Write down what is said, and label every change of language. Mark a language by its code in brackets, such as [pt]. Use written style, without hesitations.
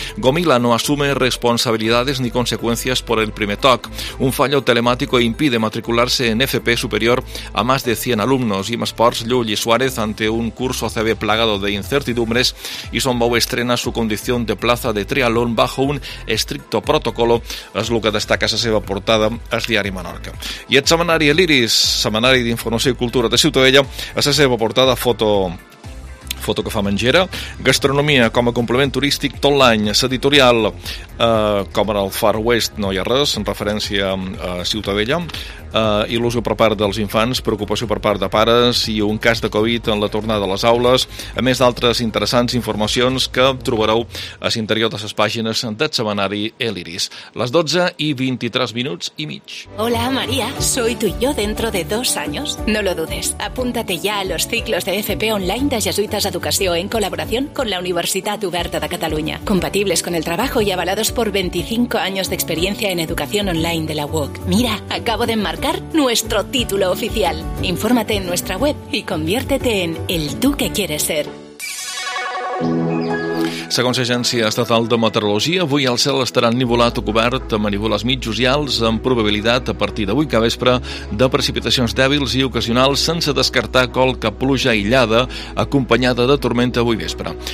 [es] Gomila no asume responsabilidades ni consecuencias por el primer TOC. Un fallo telemático impide matricularse en FP superior a más de 100 alumnos. Y Masports, Llull y Suárez, ante un curso CB plagado de incertidumbres, y Sombau estrena su condición de plaza de triatlón bajo un estricto protocolo. [ca] Es lo que destaca esa seva portada al diari Menorca. Y el semanari El Iris, semanari de información y cultura de Ciutadella, esa seva portada foto que fa mengera, gastronomia com a complement turístic tot l'any, s'editorial com en el Far West no hi ha res, en referència a Ciutadella, il·lusió per part dels infants, preocupació per part de pares i un cas de Covid en la tornada a les aules, a més d'altres interessants informacions que trobareu a l'interior de les pàgines del setmanari El Iris. Les 12:23. [es] Hola, María, soy tú y yo dentro de 2 años. No lo dudes, apúntate ya a los ciclos de FP online de Jesuitas Educació en colaboración con la Universitat Oberta de Catalunya, compatibles con el trabajo y avalados por 25 años de experiencia en educación online de la UOC. Mira, acabo de enmarcar nuestro título oficial. Infórmate en nuestra web y conviértete en el tú que quieres ser. [ca] Segons l'Agència Estatal de Meteorologia, avui el cel estarà ennivolat o cobert amb nívols mitjos i alts, amb probabilitat a partir d'avui que vespre de precipitacions dèbils i ocasionals, sense descartar qualque pluja aïllada acompanyada de tormenta avui vespre.